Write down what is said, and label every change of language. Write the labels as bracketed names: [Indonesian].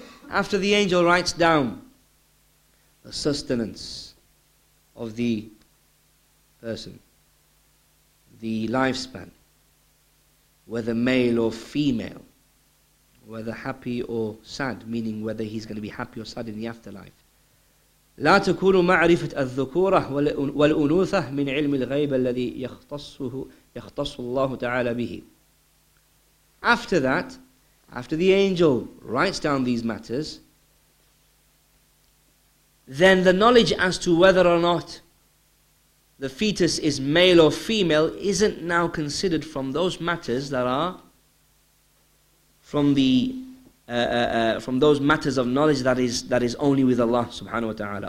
[English] After the angel writes down the sustenance of the person, the lifespan, whether male or female, whether happy or sad, meaning whether he's going to be happy or sad in the afterlife. [Arabic] لا تكون معرفة الذكورة والأنوثة من علم الغيب الذي يختص الله تعالى به. [English] After that, after the angel writes down these matters, then the knowledge as to whether or not the fetus is male or female isn't now considered from those matters that are from those matters of knowledge that is only with Allah subhanahu wa ta'ala.